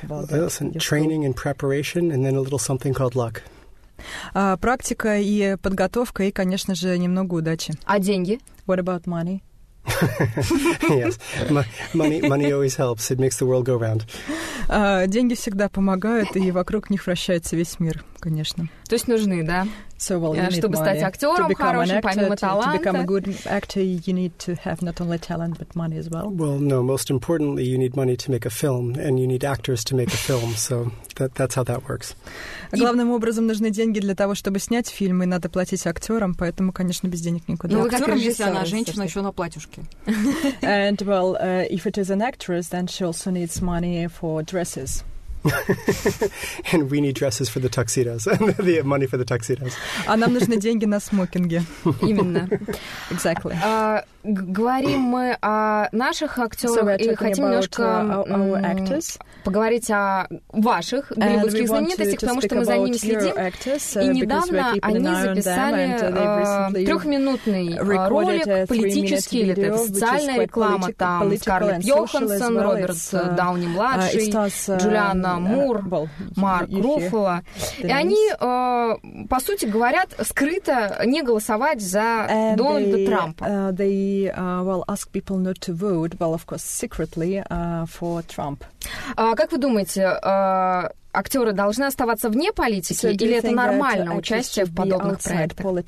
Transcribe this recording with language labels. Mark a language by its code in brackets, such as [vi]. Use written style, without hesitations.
[en] Listen, training and preparation, and then a little something called luck. [ru] Практика и подготовка, и, конечно же, немного удачи. А деньги? [en] What about money? Yes, money always helps. It makes the world go round. [ru] Деньги всегда помогают, и вокруг них вращается весь мир, конечно. То есть нужны, да? [en] So, well, you [ru] чтобы [en] need [ru] стать актером хорошим, [en] actor, [ru] помимо таланта. [en] To become a good actor, you need to have not only talent, but money as well. Well, no, most importantly, you need money to make a film, and you need actors to make a film, so that's how that works. [ru] Главным образом нужны деньги для того, чтобы снять фильм, и надо платить актерам, поэтому, конечно, без денег никуда. Ну, актером, если она женщина, еще на платьюшке. [en] And, well, if it is an actress, then she also needs money for dresses. And we need dresses for the tuxedos. The money for the tuxedos. [ru] А нам нужны деньги на смокинги. Именно. [en] Exactly. [ru] Говорим мы о наших актерах и хотим немножко поговорить о ваших голливудских знаменитостях, потому что мы за ними следим. И недавно они записали трехминутный ролик политический, или это социальная реклама, там Скарлетт Йоханссон, Роберт Дауни-младший, Джулианна Мур, Марк Руффало. И они, по сути, говорят скрыто не голосовать за Дональда Трампа. [en] ask people not to vote, well, of course, secretly, for Trump. [ru] Как вы думаете, актеры должны оставаться вне политики, или это нормально, участие в подобных проектах?